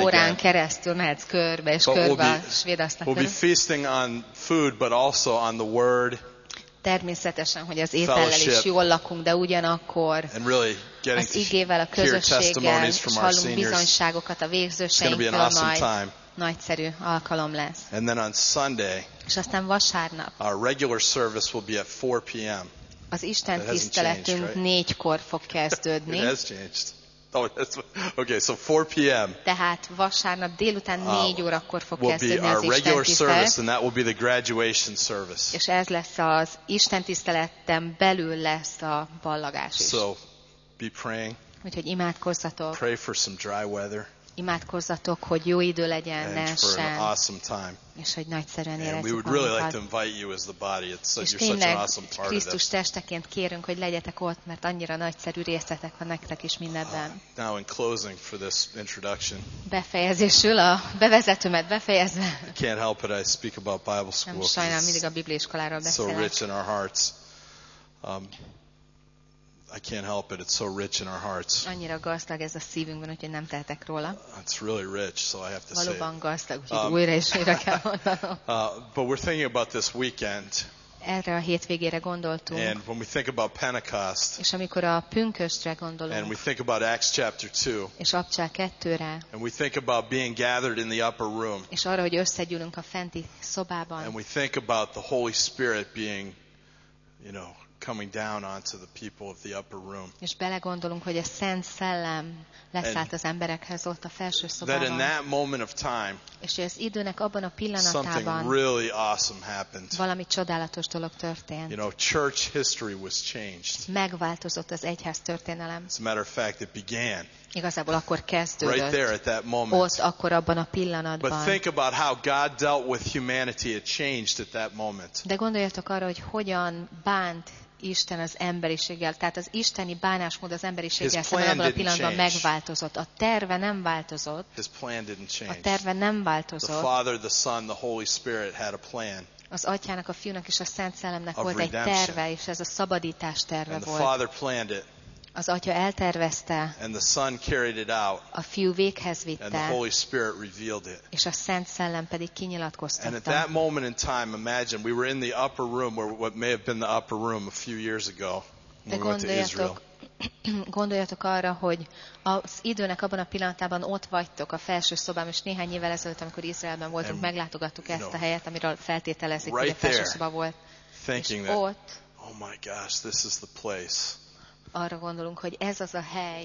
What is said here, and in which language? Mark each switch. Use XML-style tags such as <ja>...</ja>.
<hu>órán</hu> <en>again.</en> <hu>Keresztül mehetsz körbe és</hu> <en>but</en> <hu>körbe</hu> <en>we'll be,</en> <hu>a svédasztal</hu> <en>We'll be feasting on food, but also on the word.</en> <hu>Természetesen, hogy az étellel is jól lakunk, de ugyanakkor</hu> <en>and really</en> <hu>az igével, a közösséggel, és hallunk bizonyságokat a végzőseinkkel</hu> <en>It's gonna be an awesome time.</en> <hu>Nagyszerű alkalom lesz.</hu> <en>And then on Sunday,</en> <hu>és aztán vasárnap.</hu> <en>Our regular service will be at 4 p.m.</en> <hu>Az Isten tiszteletünk 4-kor fog kezdődni.</hu> <en>It has changed. Oh, okay, so 4 p.m.</en> <hu>Tehát vasárnap délután 4 órakor fog</hu> <en>will</en> <hu>kezdődni</hu> <en>be our</en> <hu>az Isten</hu> <en>regular service, and that will be the graduation service.</en> <hu>És ez lesz az Isten tiszteleten belül lesz a ballagás is.</hu> <en>So, be praying.</en> <hu>Úgyhogy imádkozzatok.</hu> <en>Pray for some dry weather.</en> <hu>imádkozzatok, hogy jó idő legyen,</hu> <en>and</en> <hu>ne essen,</hu> <en>for an awesome time.</en> <hu>És hogy nagyszerűen éreztek magunkat.</hu> <en>And we would really like to invite you as the body. It's such, you're such an awesome part of</en> <hu>Krisztus testeként kérünk, hogy legyetek ott, mert annyira nagyszerű részletek van nektek is mindebben.</hu> <en>Now in closing for this introduction.</en> <hu>Befejezésül a bevezetőmet befejezve.</hu> <en>I can't help it, I speak about Bible school.</en> <hu>Nem sajnál, mindig a bibliaiskoláról beszélek.</hu> <en>So rich in our hearts. I can't help it. It's so rich in our hearts.</en> <hu>Annyira gazdag ez a szívünkben, úgyhogy nem tehetek róla.</hu> <en>It's really rich, so I have to</en> <hu>valóban</hu> <en>say.</en> <hu>Valóban gazdag, úgyhogy újra és újra kell mondanom.</hu> <en>But we're thinking about this weekend.</en> <hu>Erre a hétvégére gondoltunk.</hu> <en>And when we think about Pentecost.</en> <hu>És amikor a pünköstre gondolunk.</hu> <en>And we think about Acts chapter 2.</en> <hu>És Apcsák 2-re.</hu> <en>And we think about being gathered in the upper room.</en> <hu>És arra, hogy összegyűlünk a fenti szobában.</hu> <en>And we think about the Holy Spirit being, you know, coming down onto the people of the upper room.</en> <hu>És belegondolunk, hogy a Szent Szellem leszállt az emberekhez ott a felső szobában.</hu> <en>That in that moment of time.</en> <hu>És az időnek abban a pillanatában.</hu> <en>Something really awesome happened.</en> <hu>Valami csodálatos dolog történt.</hu> <en>You know, church history was changed.</en> <hu>Megváltozott az egyház történelem.</hu> <en>As a matter of fact, it began.</en> <hu>Igazából akkor kezdődött.</hu> <en>Right there at that moment.</en> <hu>Ott akkor abban a pillanatban.</hu> <en>But think about how God dealt with humanity. It changed at that moment.</en> <hu>De gondoljatok arra, hogy hogyan bánt Isten az emberiséggel, tehát az isteni bánásmód az emberiséggel szemben abban a pillanatban megváltozott. A terve nem változott. A terve nem változott.</hu> <en>The Father, the Son, the Holy Spirit had a plan.</en> <hu>Az Atyának, a Fiúnak és a Szent Szellemnek volt egy terve, és ez a szabadítás terve</hu> <en>and The Father planned it.</en> <hu>Az Atya eltervezte.</hu> <en>And the Son carried it out.</en> <hu>A Fiú véghez vitte.</hu> <en>And the Holy Spirit revealed it.</en> <hu>És a Szent Szellem pedig kinyilatkoztatta.</hu> <en>And at that moment in time, imagine we were in the upper room, where what may have been the upper room a few years ago when we went to Israel.</en> <hu>Gondoljatok arra, hogy az időnek abban a pillanatában ott vagytok a felső szobában, és néhány évvel ezelőtt, amikor Izraelben voltunk, meglátogattuk ezt a helyet, amiről feltételezik,</hu> <en>right,</en> <hu>hogy a felső szoba volt.</hu> <en>Thinking</en> <hu>és ott,</hu> <en>oh my gosh, this is the place.</en> <hu>Arra gondolunk, hogy ez az a hely,</hu>